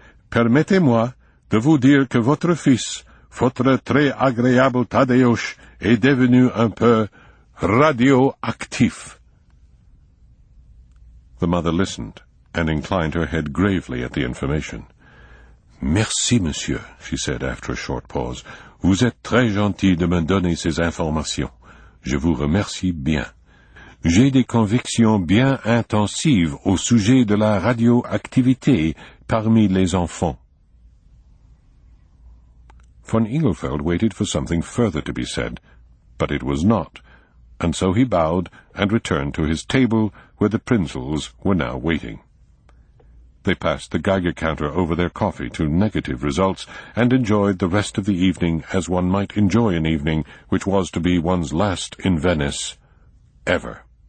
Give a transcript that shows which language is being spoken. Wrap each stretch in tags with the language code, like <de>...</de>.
<fr>Permettez-moi de vous dire que votre fils, votre très agréable Tadeusz, est devenu un peu radioactif.</fr> <en>The mother listened, and inclined her head gravely at the information.</en> <fr>Merci, monsieur,</fr> <en>she said after a short pause.</en> <fr>Vous êtes très gentil de me donner ces informations. Je vous remercie bien. J'ai des convictions bien intensives au sujet de la radioactivité parmi les enfants.</fr> <en>Von Igelfeld waited for something further to be said, but it was not, and so he bowed and returned to his table where the Prinzels were now waiting. They passed the Geiger counter over their coffee to negative results and enjoyed the rest of the evening as one might enjoy an evening which was to be one's last in Venice, ever.</en>